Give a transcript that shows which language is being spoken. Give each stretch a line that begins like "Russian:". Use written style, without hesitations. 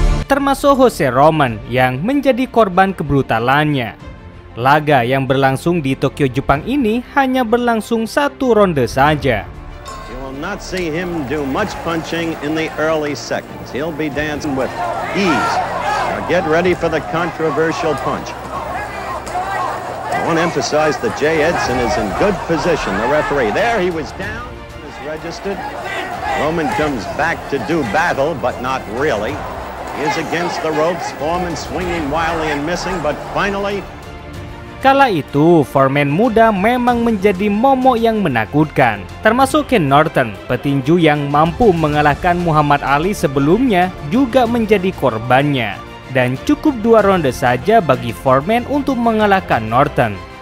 Indonesian: Termasuk Jose Roman yang menjadi korban kebrutalannya. Laga yang berlangsung di Tokyo, Jepang ini hanya berlangsung satu ronde saja.
English: You will not see him do much punching in the early seconds. He'll be dancing with ease. Now get ready for the controversial punch. I want to emphasize that Jay Edson is in good position. The referee, there he was down, is registered. Roman comes back to do battle, but not really. He is against the ropes, Foreman swinging wildly and missing, but finally.
Indonesian: Kala itu, Foreman muda memang menjadi momok yang menakutkan. Termasuk Ken Norton, petinju yang mampu mengalahkan Muhammad Ali sebelumnya, juga menjadi korbannya. Dan cukup dua ronde saja bagi Foreman untuk mengalahkan Norton.